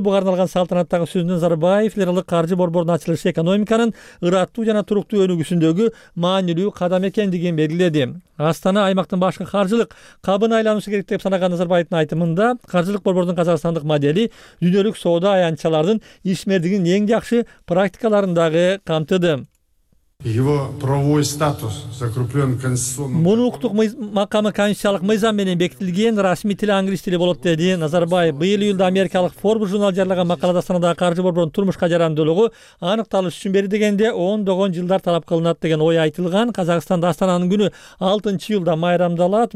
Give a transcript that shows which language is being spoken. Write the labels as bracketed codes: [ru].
[ky] Буга арналган салтанаттагы сөздө Назарбаев лидерлик каржы борборунун ачылышы экономиканын ырааттуу жана туруктуу өнүгүүсүндөгү маанилүү кадам экендигин белгиледи. Астана аймактын башкы каржылык кабына айланышы керек деп санаган Назарбаевдин айтымында каржылык борбордун казакстандык модели дүйнөлүк соода аянтчалардын ишмердигинин эң жакшы практикаларын дагы камтыды. [ru] Его правовой статус закреплен конституционным. [ky] Муну укуктук макамы конституциялык мыйзам менен бекитилген, расмий тили англис тили болот, деди Назарбаев. Быйыл июлда америкалык Forbes журнал жарыяланган макалада Астанадагы каржы борборунун турмушка жарандуулугу аныкталыш үчүн берилгенде ондогон жылдар талап кылынат деген ой айтылган. Казакстанда Астананын күнү 6-июлда майрамдалат.